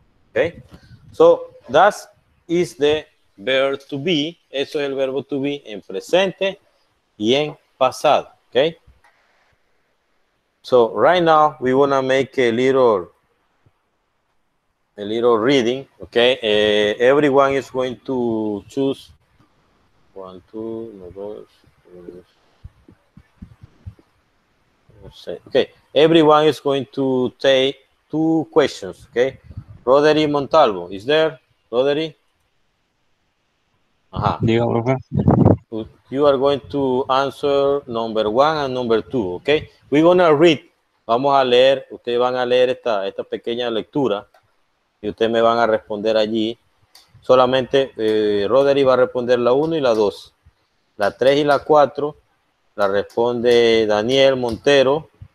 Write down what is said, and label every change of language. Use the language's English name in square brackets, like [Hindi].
[English] Okay, so that is the verb to be. [Spanish] Eso es el verbo to be en presente y en pasado. [English] Okay, so right now we want to make a little reading, okay. Everyone is going to choose one, two, no, [Spanish] dos, tres. [English] Okay. Everyone is going to take two questions, okay. Roderick Montalvo, is there, Roderick? [Spanish] Ajá. Diga, profe. [English] You are going to answer number one and number two, okay. We're gonna read. [Spanish] Vamos a leer. Ustedes van a leer esta pequeña lectura. Y ustedes me van a responder allí solamente Roderick va a responder la 1 y la 2. La 3 y la 4 la responde Daniel Montero.